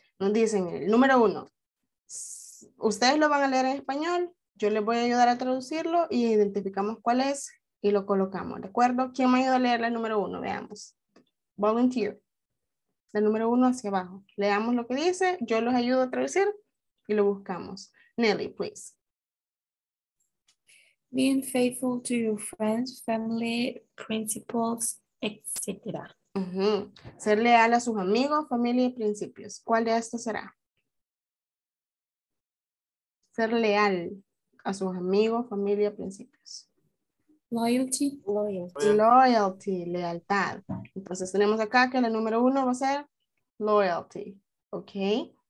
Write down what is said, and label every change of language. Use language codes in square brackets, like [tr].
[es] Nos dicen, miren, número uno, ustedes lo van a leer en español. Yo les voy a ayudar a traducirlo y identificamos cuál es y lo colocamos. ¿De acuerdo? ¿Quién me ayuda a leer la número uno? Veamos. Volunteer. La número uno hacia abajo. Leamos lo que dice. Yo los ayudo a traducir y lo buscamos. [en] Nelly, please. Being faithful to your friends, family, principles, etc. Uh-huh. [es] Ser leal a sus amigos, familia y principios. ¿Cuál de estos será? Ser leal a sus amigos, familia, principios. [en] Loyalty, [es] lealtad. Entonces tenemos acá que la número uno va a ser loyalty, ¿ok?